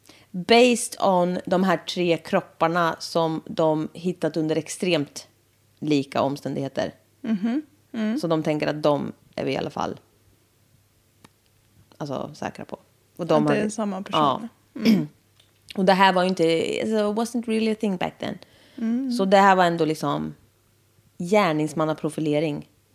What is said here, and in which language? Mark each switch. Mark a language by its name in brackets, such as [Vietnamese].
[English] Based on [Swedish] de här tre kropparna som de hittat under extremt lika omständigheter. Mm-hmm. Mm. Så de tänker att de är vi i alla fall alltså säkra på. Och de har, det är samma person. Ja. Mm. Och det här var ju inte... [English] It wasn't really a thing back then. Mm. [Swedish] Så det här var ändå liksom gärningsmannaprofilering.